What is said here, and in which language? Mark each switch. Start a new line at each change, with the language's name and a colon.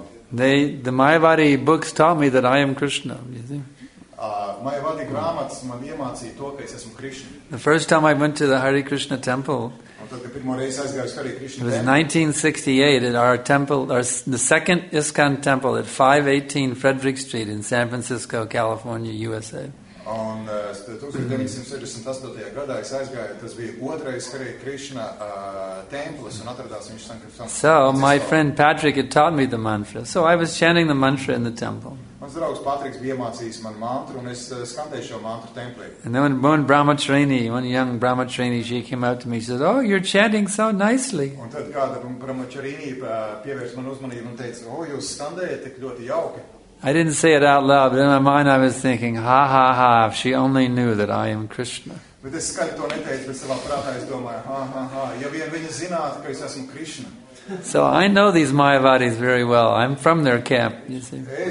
English: The Mayavadi books taught me that I am Krishna, you see.
Latvian: Mayavadi grāmatas man iemācīja to, ka es esmu Krishna.
English: The first time I went to the Hare Krishna temple.
Latvian: Tad, kad pirmo reizi aizgāju uz Hare Krishna
English: temple. It was 1968 at our temple, the second ISKCON temple at 518 Frederick Street in San Francisco, California, USA.
Latvian: Un 1968. Gadā es aizgāju, tas bija otrais Hare Krishna templis un atradās viņš San Francisco.
English: So my friend Patrick had taught me the mantra. So I was chanting the mantra in the temple.
Latvian: Mans draugs Patriks bija iemācījis man mantru, un es skandēju šo mantru templī.
English: And then one young Brahmacharini, she came up to me, she said, oh, you're chanting so nicely.
Latvian: Un tad kāda Brahmacharini pievērs man uzmanību un teica, oh, jūs skandējat tik ļoti jauki.
English: I didn't say it out loud, but in my mind I was thinking, ha, ha, ha, if she only knew that I am Krishna.
Latvian: Bet es skaļi to neteicu, bet savā prātā es domāju, ha, ha, ha, ja vien viņa zinātu, ka es esmu Krishna.
English: So I know these Mayavadis very well. I'm from their camp, you see.